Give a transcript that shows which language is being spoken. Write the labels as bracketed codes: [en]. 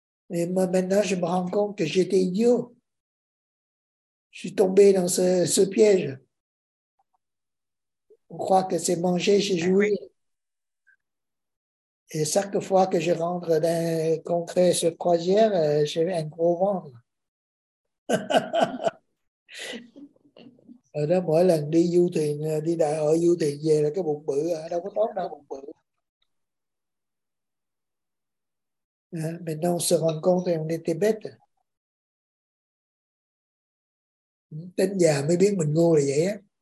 [fr] Et moi maintenant je me rends compte que j'étais idiot. Je suis tombé dans ce piège. On croit que c'est manger, c'est jouer. Oui. Et chaque fois que je rentre d'un congrès sur croisière, j'ai un gros ventre. [vi] Ở đó mỗi lần đi du thuyền, đi đại hội du thuyền về là cái bụng bự, đâu có tốt đâu bụng bự. [fr] Maintenant on se rend compte et on était bête. [vi] Tính già mới biết mình ngu là vậy á.